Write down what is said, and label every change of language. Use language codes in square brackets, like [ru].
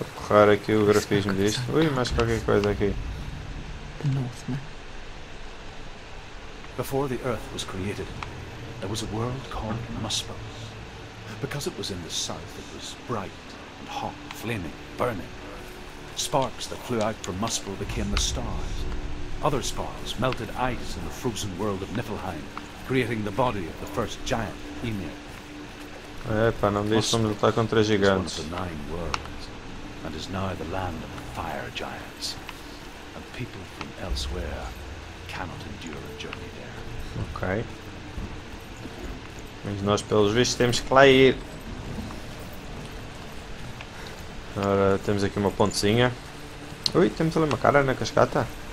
[pt] a porrar aqui o grafismo disto. Ui, mais qualquer coisa aqui. [en] Before the Earth was created, there was a world called Muspel. Because it was in the south, it was bright and hot, flaming, burning. Sparks that flew out from Muspel became the stars. Other sparks melted ice in the frozen world of Niflheim, creating the body of the first giant, Ymir. [pt] Epa, não deixamos lutar contra gigantes. [en] One of the nine worlds, and is now the land of the fire giants. People from elsewhere cannot endure a journey there. Ok. [pt] Mas nós, pelos vistos, temos que lá ir. Agora temos aqui uma pontezinha. Ui, temos ali uma cara na cascata.